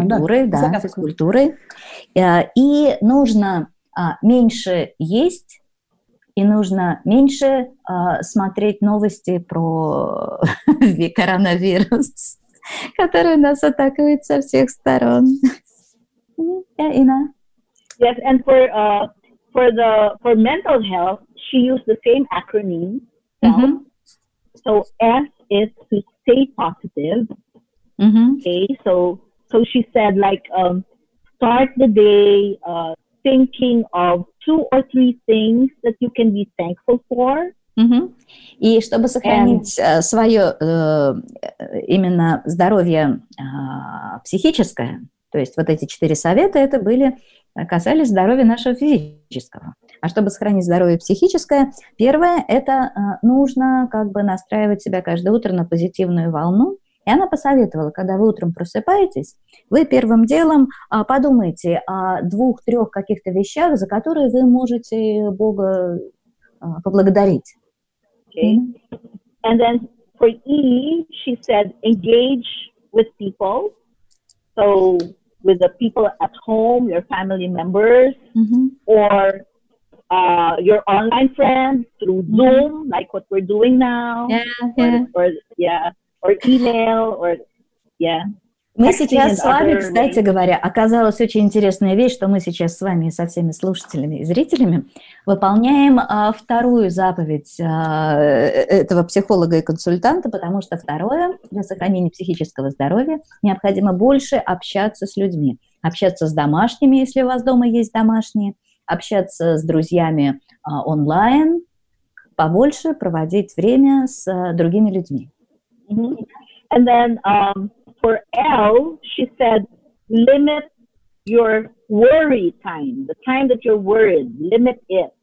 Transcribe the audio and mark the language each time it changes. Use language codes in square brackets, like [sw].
[ru] Физкультурой, да, физкультурой. И нужно меньше есть, и нужно меньше смотреть новости про коронавирус, который нас атакует со всех сторон. [en] Yeah, Ina. Yes, and for mental health, she used the same acronym. Mm-hmm. So S is to stay positive. Mm-hmm. Okay, so she said like start the day thinking of two or three things that you can be thankful for. Mm-hmm. [ru] И чтобы сохранить свое именно здоровье психическое, то есть вот эти четыре совета, это были, касались здоровья нашего физического. А чтобы сохранить здоровье психическое, первое, это нужно как бы настраивать себя каждое утро на позитивную волну. И она посоветовала, когда вы утром просыпаетесь, вы первым делом подумайте о двух-трех каких-то вещах, за которые вы можете Бога поблагодарить. [en] Okay. Mm-hmm. And then for E, she said engage with people. So with the people at home, your family members, mm-hmm. or your online friends through Zoom, mm-hmm. like what we're doing now. Yeah, yeah. Or email, or, yeah. [ru] Мы сейчас с вами, кстати говоря, оказалась очень интересная вещь, что мы сейчас с вами и со всеми слушателями и зрителями выполняем вторую заповедь этого психолога и консультанта, потому что второе, для сохранения психического здоровья необходимо больше общаться с людьми, общаться с домашними, если у вас дома есть домашние, общаться с друзьями онлайн, побольше проводить время с другими людьми. Mm-hmm. [en] And then, for L, she said, limit your worry time, the time that you're worried, limit it.